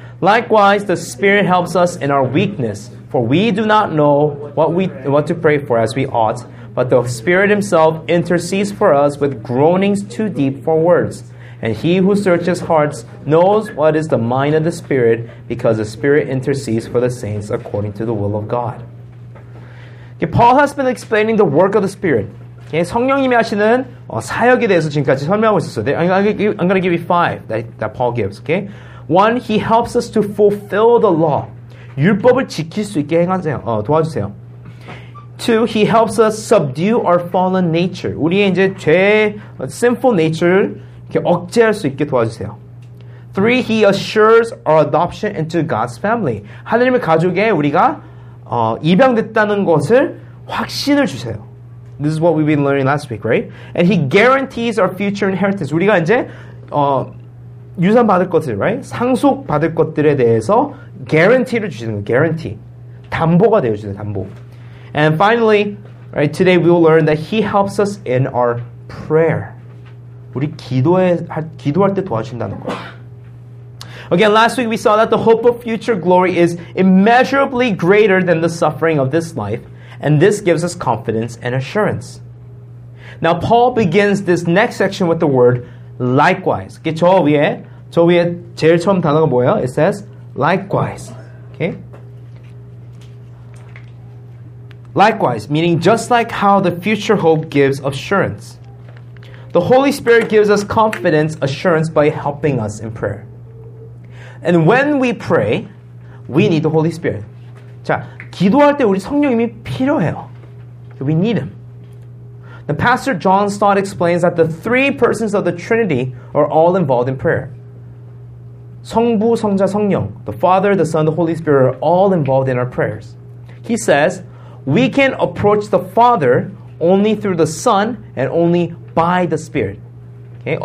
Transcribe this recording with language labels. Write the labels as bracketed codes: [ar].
[en] Likewise, the Spirit helps us in our weakness, for we do not know what to pray for as we ought, but the Spirit Himself intercedes for us with groanings too deep for words. And He who searches hearts knows what is the mind of the Spirit, because the Spirit intercedes for the saints according to the will of God. Okay, Paul has been explaining the work of the Spirit. [ko] Okay, 성령님이 하시는 사역에 대해서 지금까지 설명하고 있었어요. [en] I'm going to give you five that Paul gives. Okay? One, he helps us to fulfill the law. [ko] 율법을 지킬 수 있게 도와주세요. [en] 2. He helps us subdue our fallen nature. [ko] 우리의 이제 죄의 sinful nature 이렇게 억제할 수 있게 도와주세요. [en] 3. He assures our adoption into God's family. [ko] 하나님의 가족에 우리가 입양됐다는 것을 확신을 주세요. [en] This is what we've been learning last week, right? And he guarantees our future inheritance. [ko] 우리가 이제 유산받을 것들, [en] right? [ko] 상속받을 것들에 대해서 guarantee를 주시는 거예요. Guarantee. 담보가 되어주세요, 담보. [en] And finally, right, today we will learn that he helps us in our prayer. [ko] 우리 기도할 때 도와주신다는 거예요. [en] Again, last week we saw that the hope of future glory is immeasurably greater than the suffering of this life. And this gives us confidence and assurance. Now, Paul begins this next section with the word likewise. [ko] 이게 저 위에 제일 처음 단어가 뭐예요? [en] It says likewise. Okay? Likewise, meaning just like how the future hope gives assurance. The Holy Spirit gives us confidence, assurance by helping us in prayer. And when we pray, we need the Holy Spirit. [ko] 자, 기도할 때 우리 성령님이 필요해요. [en] We need Him. The pastor John Stott explains that the three persons of the Trinity are all involved in prayer. 성부, 성자, 성령, the Father, the Son, the Holy Spirit are all involved in our prayers. He says, we can approach the Father only through the Son and only by the Spirit. Okay?